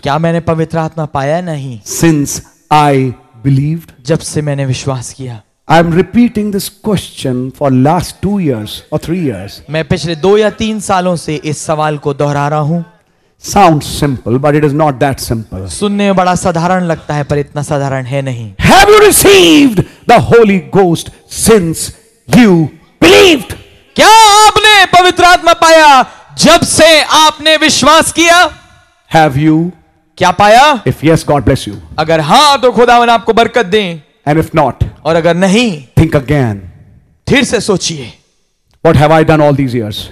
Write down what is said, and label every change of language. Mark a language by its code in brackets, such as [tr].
[hi] क्या मैंने पवित्र आत्मा पाया? नहीं। [en] Since I believed, [hi] जब से मैंने विश्वास किया। [en] I am repeating this question for last 2 years or 3 years. [hi] मैं पिछले 2 या 3 सालों से इस सवाल को दोहरा रहा हूं। [en] Sounds simple, but it is not that simple. [hi] सुनने में बड़ा साधारण लगता है, पर इतना साधारण है नहीं। [en] Have you received the Holy Ghost since you believed? [hi] क्या आपने पवित्र आत्मा पाया? जब से आपने विश्वास किया। [en] Have you? [hi] क्या पाया? [en] If yes, God bless you. [hi] अगर हां तो खुदावन आपको बरकत दें। [en] and if not, [hi] और अगर नहीं, [en] think again, [hi] फिर से सोचिए। [en] What have I done all these years?